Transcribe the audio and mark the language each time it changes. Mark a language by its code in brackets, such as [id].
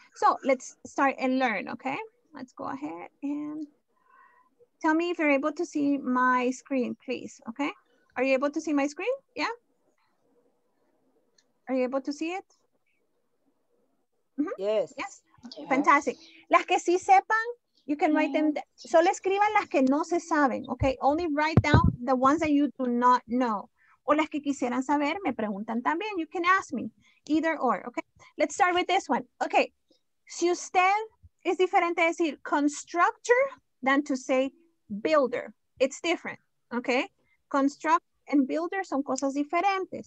[en] So, let's start and learn, okay? Let's go ahead and tell me if you're able to see my screen, please, okay? Are you able to see my screen? Yeah? Are you able to see it? Mm-hmm. Yes. Yes. Yes. Fantastic. [es] Las que sí sepan, [en] you can write them. [es] Solo escriban las que no se saben, okay? [en] Only write down the ones that you do not know. [es] O las que quisieran saber, me preguntan también. [en] You can ask me. Either or, okay? Let's start with this one. Okay. [es] Si usted es diferente decir constructor [en] than to say builder. It's different, okay? Construct and builder [es] son cosas diferentes.